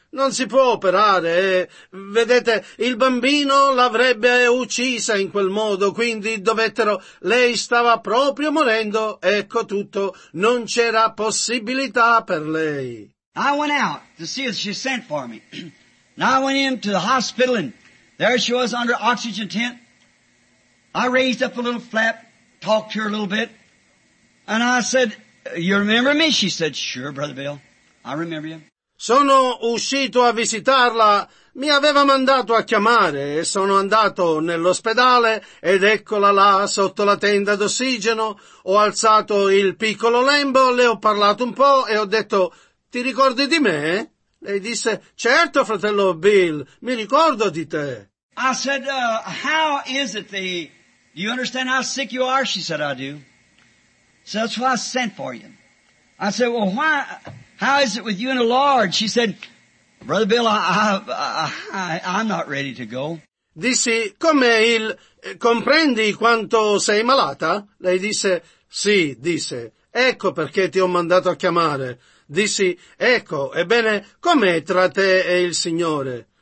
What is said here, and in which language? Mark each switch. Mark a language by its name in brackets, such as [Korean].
[Italian] Non si può operare, vedete, il bambino l'avrebbe uccisa in quel modo, quindi dovettero, lei stava proprio morendo, ecco tutto, non c'era possibilità per lei. [English] I went out to see if she sent for me. Now I went into the hospital and there she was under oxygen tent. I raised up a little flap, talked to her a little bit, and I said, you remember me? She said, sure, Brother Bill, I remember you. [Italian] Sono uscito a visitarla, mi aveva mandato a chiamare e sono andato nell'ospedale ed eccola là sotto la tenda d'ossigeno, ho alzato il piccolo lembo, le ho parlato un po' e ho detto, ti ricordi di me? Lei disse, certo fratello Bill, mi ricordo di te. [English] I said, how is it the, do you understand how sick you are? She said, I do. So that's why I sent for you. I said, well why... How is it with you and the Lord? She said, Brother Bill, I'm not ready to go. [Italian] Dissi, com'è il, comprendi quanto sei malata? Lei disse, sì, disse, ecco perché ti ho mandato a chiamare. Dissi, ecco, ebbene, com'è tra te e il Signore?